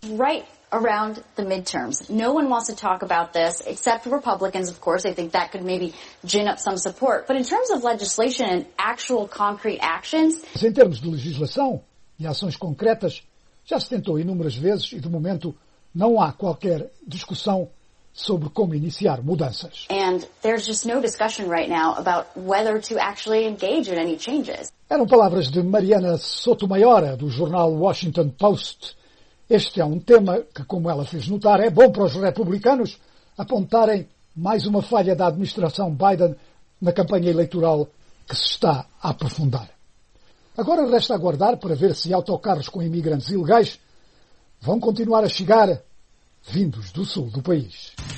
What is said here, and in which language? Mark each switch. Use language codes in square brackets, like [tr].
[en] Right around the midterms. No one wants to talk about this, except Republicans, of course. I think that could maybe gin up some support. But in terms of legislation and actual concrete actions... [pt] Mas em termos de legislação e ações concretas, já se tentou inúmeras vezes e, de momento, não há qualquer discussão sobre como iniciar mudanças. [en] And there's just no discussion right now about whether to actually engage in any changes. [pt] Eram palavras de Mariana Sotomayor, do jornal Washington Post. Este é um tema que, como ela fez notar, é bom para os republicanos apontarem mais uma falha da administração Biden na campanha eleitoral que se está a aprofundar. Agora resta aguardar para ver se autocarros com imigrantes ilegais vão continuar a chegar vindos do sul do país.